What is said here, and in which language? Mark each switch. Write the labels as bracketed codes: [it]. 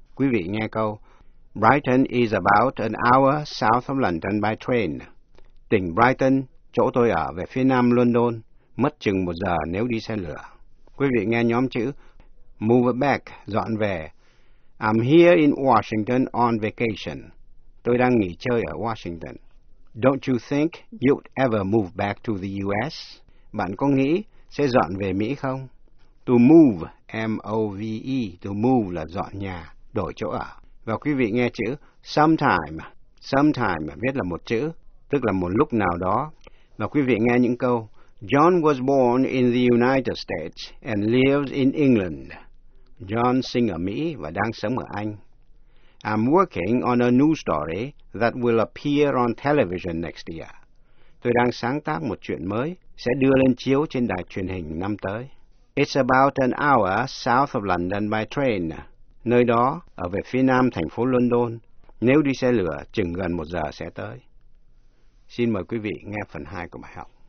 [vi] Quý vị nghe câu, [en] Brighton is about an hour south of London by train. [vi] Tỉnh Brighton, chỗ tôi ở về phía nam London, mất chừng một giờ nếu đi xe lửa. Quý vị nghe nhóm chữ, move back, dọn về. [en] I'm here in Washington on vacation. [vi] Tôi đang nghỉ chơi ở Washington. [en] Don't you think you'd ever move back to the U.S.? [vi] Bạn có nghĩ sẽ dọn về Mỹ không? To move, M-O-V-E, to move là dọn nhà, đổi chỗ ở. Và quý vị nghe chữ sometime. Sometime viết là một chữ, tức là một lúc nào đó. Và quý vị nghe những câu. [en] John was born in the United States and lives in England. [vi] John sinh ở Mỹ và đang sống ở Anh. [en] I'm working on a new story that will appear on television next year. [vi] Tôi đang sáng tác một chuyện mới, sẽ đưa lên chiếu trên đài truyền hình năm tới. [en] It's about an hour south of London by train. [vi] Nơi đó, ở về phía nam thành phố London, nếu đi xe lửa, chừng gần một giờ sẽ tới. Xin mời quý vị nghe phần 2 của bài học.